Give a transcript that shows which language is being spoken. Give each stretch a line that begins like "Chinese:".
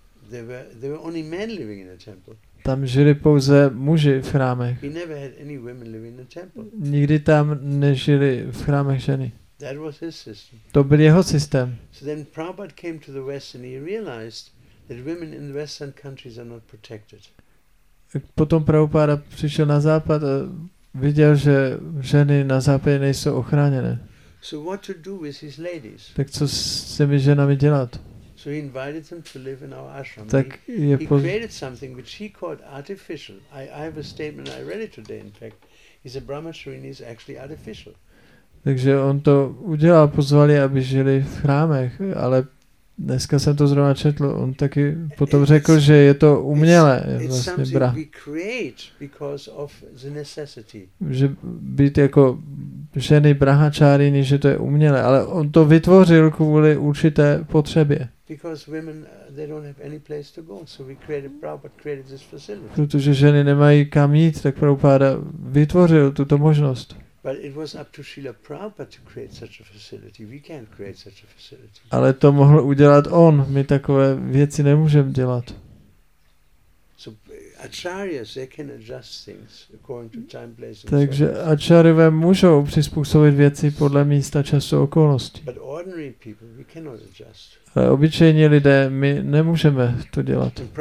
English: There were only men living in the temple.
Czech: Tam žili pouze muži v chrámech.
English: We never had any women living in the temple.
Czech: Nikdy tam nežili v chrámech ženy.
English: That was his system.
Czech: To byl jeho systém.
English: So then Prabhupada came to the West and he realized that women in the Western countries are not protected.
Czech: Potom Prabhupada přišel na západ a viděl, že ženy na západě nejsou ochráněné.
English: So what to do with his ladies?
Czech: Tak co s těmi ženami dělat?
English: So he invited them to live in our ashram.
Czech: Tak
English: he created something which he called artificial. I have a statement I read it today, in fact. He's a brahmacharini, is actually artificial.
Czech: Takže on to udělal, pozvali, aby žili v chrámech, ale dneska jsem to zrovna četl. On taky potom řekl, že je to umělé, vlastně brahmacharini. Že být jako ženy brahmacharini, že to je umělé, ale on to vytvořil kvůli určité potřebě.
English: Because women they don't have any place to go, so we created Prabhupada created this facility.
Czech: Protože ženy nemají kam jít, tak Prabhupada vytvořil tuto možnost.
English: But it was up to Srila Prabhupada to create such a facility. We can't create such a facility.
Czech: Ale to mohl udělat on. My takové věci nemůžeme dělat.
English: So acharyas they can adjust things according to time, place.
Czech: Takže acharyové můžou přizpůsobit věci podle místa, času, okolností.
English: But ordinary people we cannot adjust.
Czech: Ale obyčejní lidé, my nemůžeme to dělat.